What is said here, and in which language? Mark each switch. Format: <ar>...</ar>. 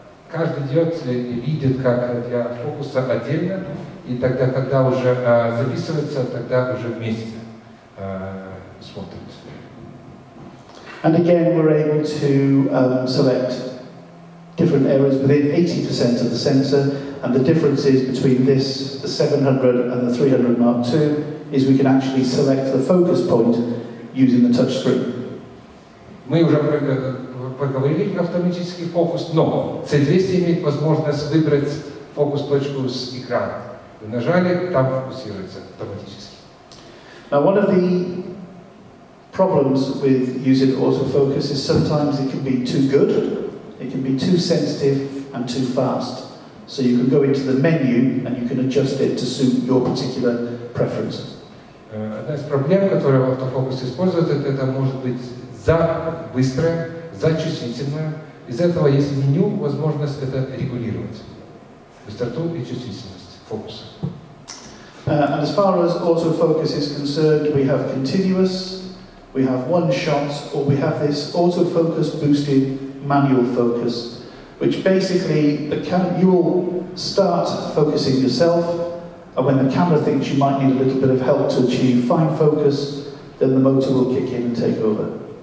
<ru>Каждый идет и видит, как для фокуса отдельно, и тогда, когда уже записывается, тогда уже вместе смотрит.</ru> <en>And again, we're able to select different areas within 80% of the sensor, and the difference is between this, the 700 and the 300 Mark II, is we can actually select the focus point using the touchscreen.</en> <ru>Мы уже поговорили про автоматический фокус, но C200 имеет возможность выбрать фокус-точку с экрана. Вы нажали, там фокусируется автоматически.</ru> <en>Now, one of the problems with using autofocus is sometimes it can be too good, it can be too sensitive and too fast. So you can go into the menu and you can adjust it to suit your particular preference.</en> <ru>Одна из проблем, которую автофокус использует, это может быть за быстрое, за чувствительное. Из этого есть меню, возможность это регулировать. Быстроту и чувствительность фокуса.</ru> <en>And as far as autofocus is concerned, we have continuous, we have one shot, or we have this autofocus boosted manual focus, which basically the camera, you will start focusing yourself, and when the camera thinks you might need a little bit of help to achieve fine focus, then the motor will kick in and take over.</en>